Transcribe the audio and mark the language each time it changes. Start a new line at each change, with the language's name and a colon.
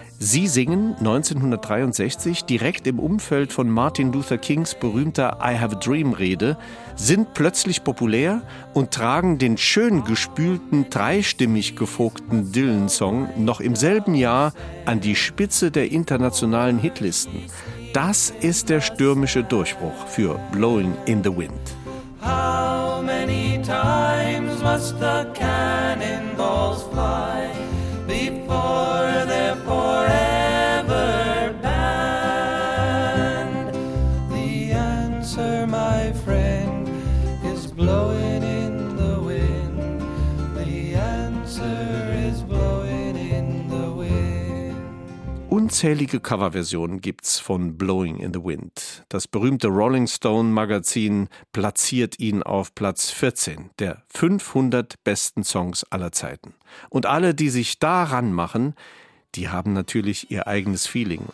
German: Sie singen 1963 direkt im Umfeld von Martin Luther Kings berühmter I Have a Dream-Rede, sind plötzlich populär und tragen den schön gespülten, dreistimmig gefokten Dylan-Song noch im selben Jahr an die Spitze der internationalen Hitlisten. Das ist der stürmische Durchbruch für Blowing in the Wind.
English: How many times must the cannonballs fly before they're forever banned? The answer, my friend, is blowing in the wind. The answer is blowing in the wind.
German: Unzählige Coverversionen gibt's von Blowing in the Wind. Das berühmte Rolling Stone Magazin platziert ihn auf Platz 14 der 500 besten Songs aller Zeiten. Und alle, die sich daran machen, die haben natürlich ihr eigenes Feeling.